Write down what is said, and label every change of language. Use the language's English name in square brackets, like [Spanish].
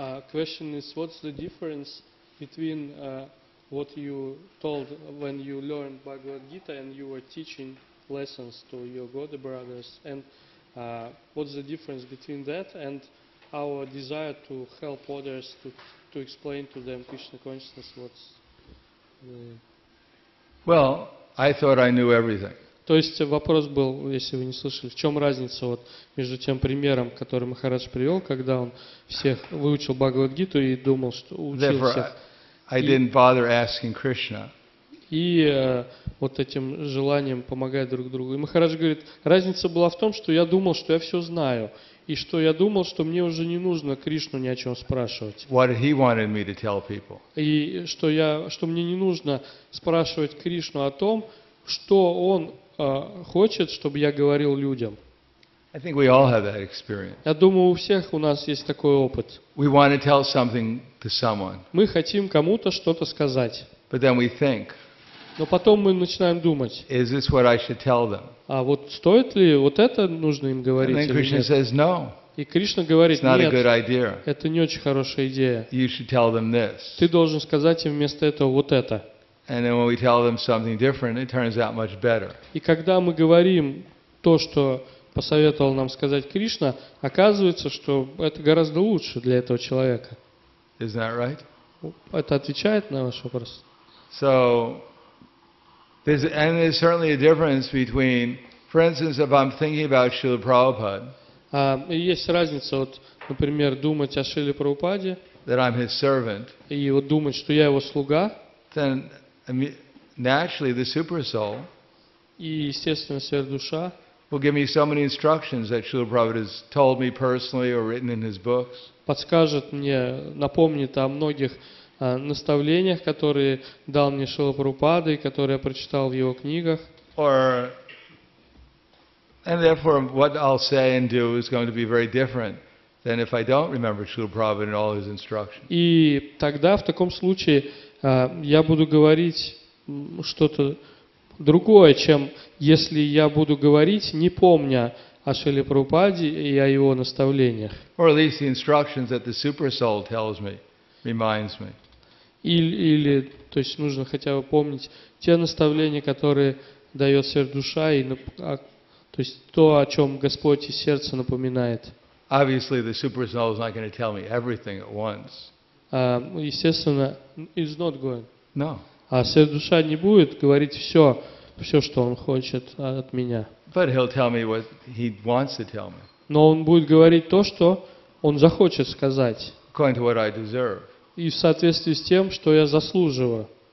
[English] Question is, what's the difference between what you told when you learned Bhagavad Gita and you were teaching lessons to your Goda brothers, and what's the difference between that and our desire to help others to explain to them Krishna consciousness? What's the... Well, I thought I knew everything. [Russian] То есть вопрос был, если вы не слышали, в чем разница вот между тем примером, который Махарадж привел, когда он всех выучил Бхагавад-гиту и думал, что учил всех. [English] I didn't bother asking Krishna. [Russian] И вот этим желанием помогать друг другу. И Махарадж говорит, разница была в том, что я думал, что я все знаю. И что я думал, что мне уже не нужно Кришну ни о чем спрашивать. [English] What he wanted me to tell people. [Russian] И что, я, что мне не нужно спрашивать Кришну о том, что он хочет, чтобы я говорил людям. [English] I think we all have that experience. [Russian] Я думаю, у всех у нас есть такой опыт. [English] We want to tell something to someone. [Russian] Мы хотим кому-то что-то сказать. [English] But then we think, [Russian] но потом мы начинаем думать, [English] is this what I should tell them? [Russian] А вот стоит ли вот это нужно им говорить? [English] And then Krishna says, no. [Russian] И Кришна говорит, [English] it's not [Russian] нет, [English] a good idea. [Russian] Это не очень хорошая идея. [English] You should tell them this. [Russian] Ты должен сказать им вместо этого вот это. [English] And then when we tell them something different, it turns out much better. [Russian] И когда мы говорим то, что посоветовал нам сказать Кришна, оказывается, что это гораздо лучше для этого человека. [English] Is that right? [Russian] Это отвечает на ваш вопрос? [English] So, there's certainly a difference between, for instance, if I'm thinking about Srila Prabhupada. [Russian] Есть разница, вот, например, думать о Шриле Прабхупаде. [English] That I'm his servant. [Russian] И вот думать, что я его слуга. [English] Then naturally, the super soul, [Russian] и естественно, сверхдуша, [English] will give me so many instructions that Srila Prabhupada has told me personally or written in his books. [Russian] Подскажет мне, напомнит о многих наставлениях, которые дал мне Шрила Прабхупада и которые я прочитал в его книгах. [English] Or, and therefore, what I'll say and do is going to be very different than if I don't remember Srila Prabhupada and all his instructions. [Russian] И тогда в таком случае я буду говорить что-то другое, чем если я буду говорить, не помня о Шриле Прабхупаде и о его наставлениях. [English] Or at least the instructions that the super soul tells me, reminds me. [Russian] Или, то есть нужно хотя бы помнить те наставления, которые дает сверхдуша, и, то есть то, о чем Господь из сердца напоминает. [English] Obviously, the super soul is not going to tell me everything at once. [Russian] Естественно, [English] it's not going. No. [Russian] А сердуша не будет говорить все, что он хочет от меня. [English] But he'll tell me what he wants to tell me. [Russian] Но он будет говорить то, что он захочет сказать. [English] According to what I deserve. [Russian] и в соответствии с тем, что я заслуживаю.